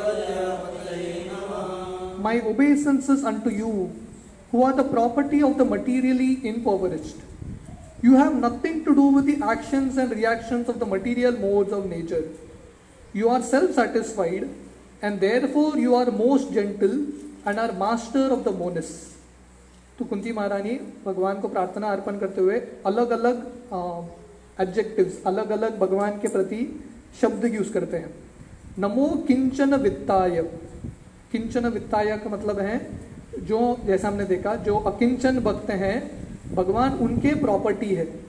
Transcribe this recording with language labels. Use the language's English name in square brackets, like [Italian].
[English] My obeisances unto you who are the property of the materially impoverished. You have nothing to do with the actions and reactions of the material modes of nature. You are self-satisfied and therefore you are most gentle and are master of the monists. [Hindi] तो कुंती महारानी भगवान को प्रार्थना अर्पण करते हुए अलग अलग adjectives, अलग अलग भगवान के प्रति शब्द यूज करते हैं। नमो किंचन वित्ताय, किंचन वित्ताय का मतलब है जो, जैसा हमने देखा, जो अकिंचन भक्त हैं भगवान उनके प्रॉपर्टी है।